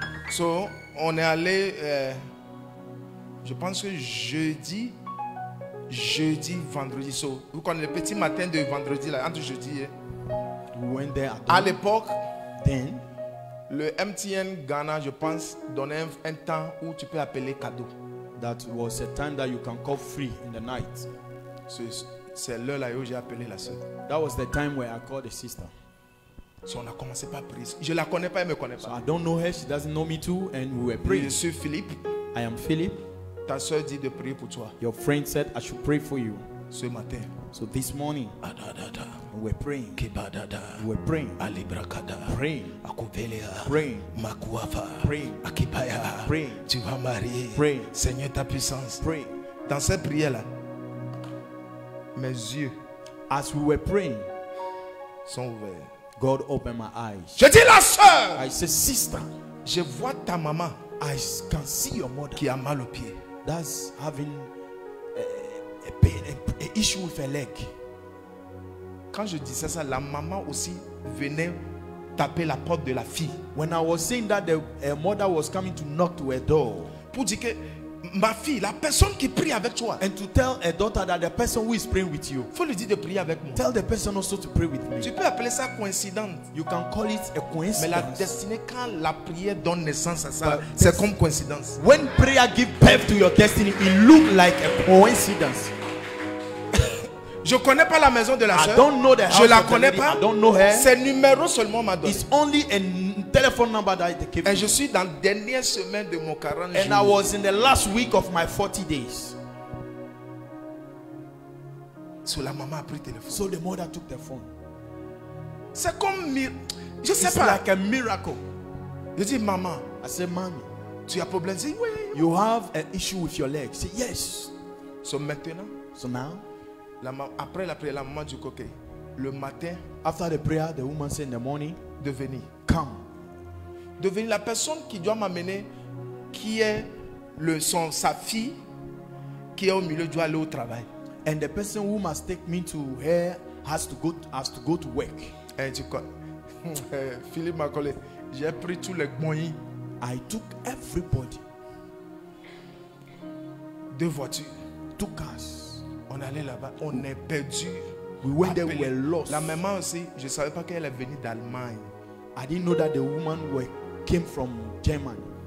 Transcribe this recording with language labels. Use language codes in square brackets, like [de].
[fr] So, on est allé, je pense que jeudi, vendredi. So, vous connaissez le petit matin de vendredi, là, entre jeudi et. [en] When they are [fr] à l'époque, [en] then, [fr] le MTN Ghana, je pense, donnait un temps où tu peux appeler cadeau. [en] That was a time that you can call free in the night. [fr] C'est l'heure là où j'ai appelé la sœur. [en] That was the time where I called the sister. [fr] So on a commencé par prier. Je la connais pas, elle me connaît pas. [en] So I don't know her, she doesn't know me too, and we were praying. [fr] Je suis Philippe. [en] I am Philippe. [fr] Ta sœur dit de prier pour toi. [en] Your friend said I should pray for you. [fr] Ce matin. [en] So this morning. Adadada. We were praying. Kibadada. We were praying. Alibrakada. Praying. Akuvelea. Praying. Makuafa. Praying. Akibaya. Praying. [fr] Tu vas marier. [en] Praying. [fr] Seigneur ta puissance. [en] Praying. [fr] Dans cette prière là, mes yeux, [en] as we were praying, [fr] sont ouverts. [en] God opened my eyes. [fr] Je dis la sœur. [en] I say sister. [fr] Je vois ta maman. [en] I can see your mother. [fr] Qui a mal au pied. [en] That's having a issue with her leg. [fr] Quand je disais ça, la maman aussi venait taper la porte de la fille. [en] When I was saying that, her mother was coming to knock to her door. [fr] Pour dire que ma fille, la personne qui prie avec toi. [en] And to tell her daughter that the person who is praying with you. [fr] Faut lui dire de prier avec moi. [en] Tell the person also to pray with me. [fr] Tu peux appeler ça coïncidence. [en] You can call it a coincidence. [fr] Mais la destinée, quand la prière donne naissance à ça, c'est comme coïncidence. [en] When prayer gives birth to your destiny, it looks like a coincidence. [fr] Je connais pas la maison de la sœur. [en] I don't know the house. [fr] Je la connais pas. [en] I don't know her. [fr] Ses numéros seulement m'a donné. [en] It's only a telephone number that they gave. [fr] Et je suis dans la dernière semaine de mon 40 jours. [en] And I was in the last week of my 40 days. [fr] So la maman a pris le téléphone. [en] So the mother took the phone. [fr] C'est comme miracle. Je sais [en] It's [fr] pas. [en] It's like a miracle. [fr] Je dis maman. [en] I said mommy. [fr] Tu as problème? Dis oui. [en] You have an issue with your leg. Say yes. [fr] So maintenant. [en] So now. [fr] Après la prière, la maman dit ok. Le matin, [en] after the prayer, the woman said in the morning, [fr] de venir, [en] come, [fr] de venir. La personne qui doit m'amener, qui est le son, sa fille, qui est au milieu, doit aller au travail. [en] And the person who must take me to her has to go to work. [fr] Et tu quoi? Philippe m'a collé. J'ai pris tous les moyens. [en] I took everybody. [fr] 2 voitures. [en] 2 cars. [fr] On allait là-bas, on est perdu. [en] We went there, we were lost. [fr] La maman aussi, je savais pas qu'elle est venue d'Allemagne. [en] I didn't know that the woman came from Germany.